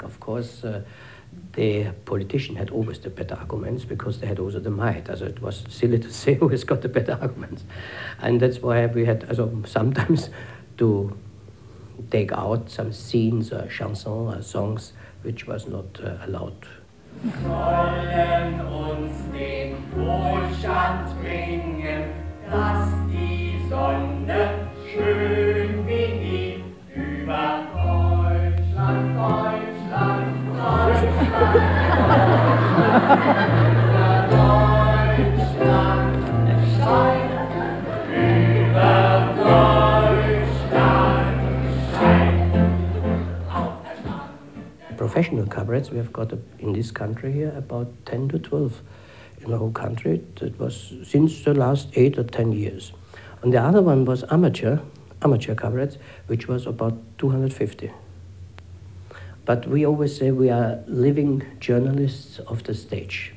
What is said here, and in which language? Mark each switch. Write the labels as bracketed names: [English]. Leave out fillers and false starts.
[English] Of course, the politician had always the better arguments because they had also the might. So it was silly to say who has got the better arguments. And that's why we had sometimes to take out some scenes or chansons or songs which was not allowed. [German] Sollen uns den Wohlstand bringen, dass die Sonne schön wie nie über Deutschland, Deutschland, Deutschland, über Deutschland scheint, über Deutschland scheint. [English] Professional cabarets, we have got in this country here about 10 to 12 in the whole country. That was since the last 8 or 10 years. And the other one was amateur cabarets, which was about 250. But we always say we are living journalists of the stage.